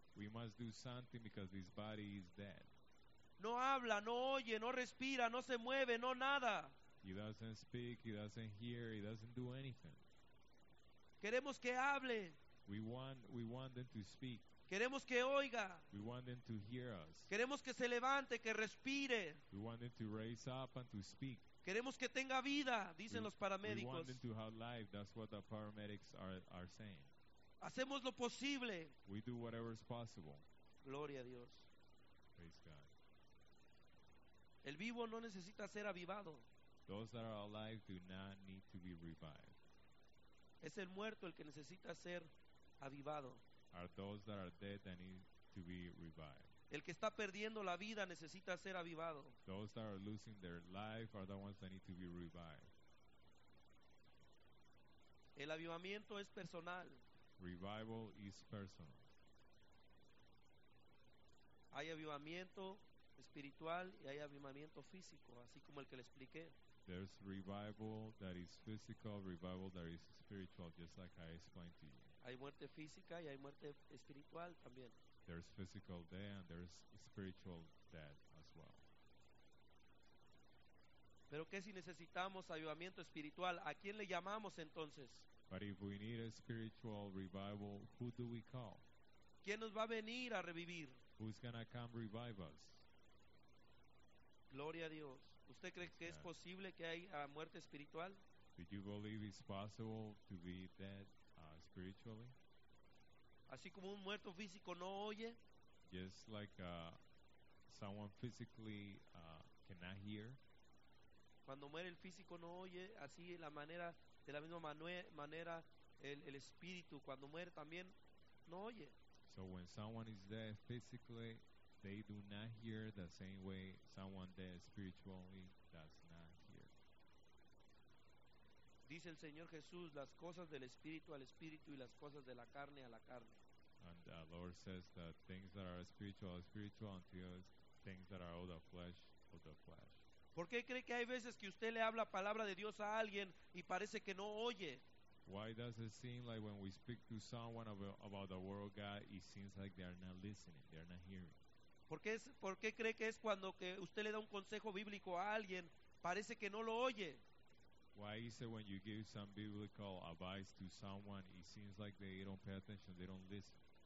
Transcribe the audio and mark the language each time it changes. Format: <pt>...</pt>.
<en>We must do something because this body is dead.</en> <es>No habla, no oye, no respira, no se mueve, no nada.</es> <en>He doesn't speak, he doesn't hear, he doesn't do anything.</en> <es>Queremos que hable.</es> <en>We want them to speak.</en> <es>Queremos que oiga.</es> <en>We want them to hear us.</en> <es>Queremos que se levante, que respire.</es> <en>We want them to raise up and to speak.</en> <es>Queremos que tenga vida, dicen los paramédicos.</es> <en>We want them to have life. That's what the paramedics are saying.</en> <es>Hacemos lo posible.</es> <en>We do whatever is possible.</en> <es>Gloria a Dios.</es> <en>Praise God.</en> <es>El vivo no necesita ser avivado.</es> <en>Those that are alive do not need to be revived.</en> <es>Es el muerto el que necesita ser avivado.</es> <en>Are those that are dead that need to be revived.</en> <es>El que está perdiendo la vida necesita ser avivado.</es> <en>Those that are losing their life are the ones that need to be revived.</en> <es>El avivamiento es personal.</es> <en>Revival is personal.</en> <es>Hay avivamiento espiritual y hay avivamiento físico, así como el que le expliqué.</es> <en>There's revival that is physical, revival that is spiritual, just like I explained to you.</en> <es>Hay muerte física y hay muerte espiritual también.</es> <en>There's physical death and there's spiritual death as well.</en> <es>Pero ¿qué si necesitamos avivamiento espiritual? ¿A quién le llamamos entonces?</es> <en>But if we need a spiritual revival, who do we call?</en> <es>¿Quién nos va a venir a revivir?</es> <en>Who's going to come revive us?</en> <es>Gloria a Dios. ¿Usted cree que es posible que haya muerte espiritual?</es> <en>Do you believe it's possible to be dead spiritually?</en> <es>Así como un muerto físico no oye.</es> <en>Just like someone physically cannot hear.</en> <es>Cuando muere el físico no oye, así la manera, de la misma manera el espíritu cuando muere también no oye.</es> <en>So when someone is dead physically, they do not hear the same way someone dead spiritually does not hear.</en> <es>Dice el Señor Jesús, las cosas del espíritu al espíritu y las cosas de la carne a la carne.</es> <en>And the Lord says that things that are spiritual are spiritual and things that are of the flesh of the flesh.</en> <es>¿Por qué cree que hay veces que usted le habla palabra de Dios a alguien y parece que no oye?</es> <en>Why does it seem like when we speak to someone about the word of God, it seems like they are not listening, they are not hearing?</en> <es>¿Por qué cree que es cuando que usted le da un consejo bíblico a alguien, parece que no lo oye?</es> <en>Why is it when you give some biblical advice to someone, it seems like they don't pay attention, they don't listen?</en>